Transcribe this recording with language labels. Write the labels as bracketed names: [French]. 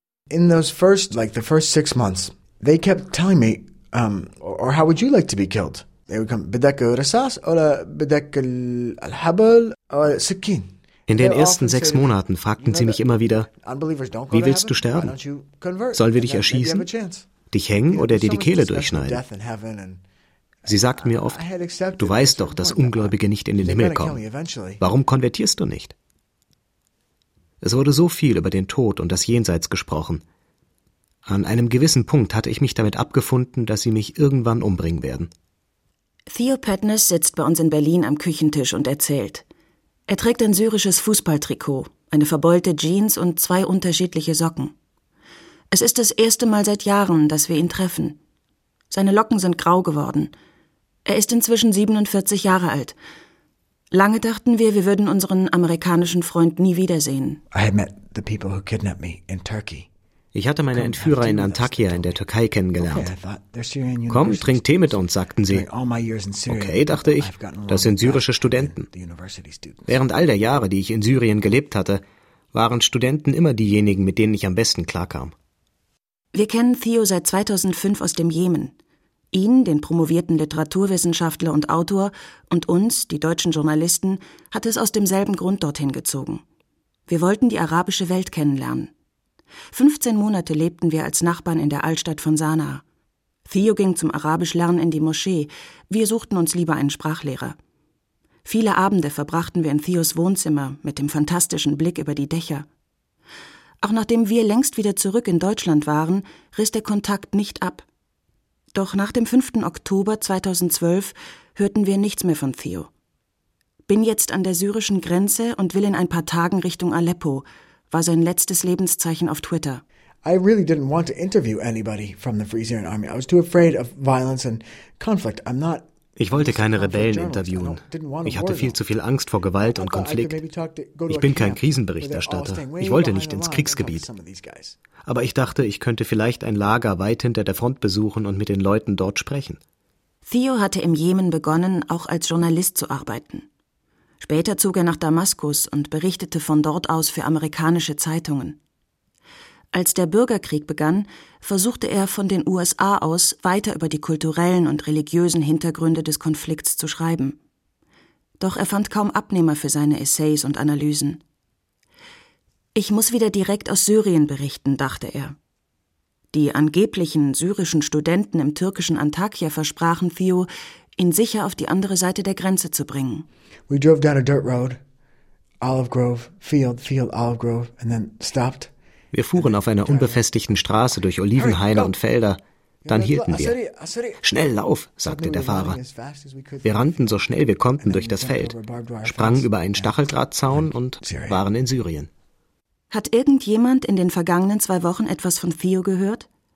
[English] In those first, like the first 6 months, they kept telling me, or how would you like to be killed? They would come, [Arabic] bedeck rasas oder bedeck al-habal oder sikin. [German] In den ersten 6 Monaten fragten sie mich immer wieder, wie willst du sterben? Sollen wir dich erschießen, dich hängen oder dir die Kehle durchschneiden? Sie sagten mir oft, du weißt doch, dass Ungläubige nicht in den Himmel kommen. Warum konvertierst du nicht? Es wurde so viel über den Tod und das Jenseits gesprochen. An einem gewissen Punkt hatte ich mich damit abgefunden, dass sie mich irgendwann umbringen werden. Theo Petnes sitzt bei uns in Berlin am Küchentisch und erzählt. Er trägt ein syrisches Fußballtrikot, eine verbeulte Jeans und 2 unterschiedliche Socken. Es ist das erste Mal seit Jahren, dass wir ihn treffen. Seine Locken sind grau geworden. Er ist inzwischen 47 Jahre alt. Lange dachten wir würden unseren amerikanischen Freund nie wiedersehen. [English] I had met the people who kidnapped me in Turkey. [German] Ich hatte meine Entführer in Antakya in der Türkei kennengelernt. Komm, trink Tee mit uns, sagten sie. Okay, dachte ich, das sind syrische Studenten. Während all der Jahre, die ich in Syrien gelebt hatte, waren Studenten immer diejenigen, mit denen ich am besten klarkam. Wir kennen Theo seit 2005 aus dem Jemen. Ihn, den promovierten Literaturwissenschaftler und Autor, und uns, die deutschen Journalisten, hat es aus demselben Grund dorthin gezogen. Wir wollten die arabische Welt kennenlernen. 15 Monate lebten wir als Nachbarn in der Altstadt von Sanaa. Theo ging zum Arabischlernen in die Moschee, wir suchten uns lieber einen Sprachlehrer. Viele Abende verbrachten wir in Theos Wohnzimmer mit dem fantastischen Blick über die Dächer. Auch nachdem wir längst wieder zurück in Deutschland waren, riss der Kontakt nicht ab. Doch nach dem 5. Oktober 2012 hörten wir nichts mehr von Theo. Bin jetzt an der syrischen Grenze und will in ein paar Tagen Richtung Aleppo, war sein letztes Lebenszeichen auf Twitter. [English] I really didn't want to interview anybody from the Free Syrian Army. I was too afraid of violence and conflict. I'm not. [German] Ich wollte keine Rebellen interviewen. Ich hatte viel zu viel Angst vor Gewalt und Konflikt. Ich bin kein Krisenberichterstatter. Ich wollte nicht ins Kriegsgebiet. Aber ich dachte, ich könnte vielleicht ein Lager weit hinter der Front besuchen und mit den Leuten dort sprechen. Theo hatte im Jemen begonnen, auch als Journalist zu arbeiten. Später zog er nach Damaskus und berichtete von dort aus für amerikanische Zeitungen. Als der Bürgerkrieg begann, versuchte er von den USA aus weiter über die kulturellen und religiösen Hintergründe des Konflikts zu schreiben. Doch er fand kaum Abnehmer für seine Essays und Analysen. Ich muss wieder direkt aus Syrien berichten, dachte er. Die angeblichen syrischen Studenten im türkischen Antakya versprachen Theo, ihn sicher auf die andere Seite der Grenze zu bringen. [English] We drove down a dirt road, Olive Grove, field, Olive Grove, and then stopped. [German] Wir fuhren auf einer unbefestigten Straße durch Olivenhaine und Felder, dann hielten wir. Schnell, lauf, sagte der Fahrer. Wir rannten so schnell wir konnten durch das Feld, sprangen über einen Stacheldrahtzaun und waren in Syrien. Hat irgendjemand in den vergangenen 2 Wochen etwas von Theo gehört?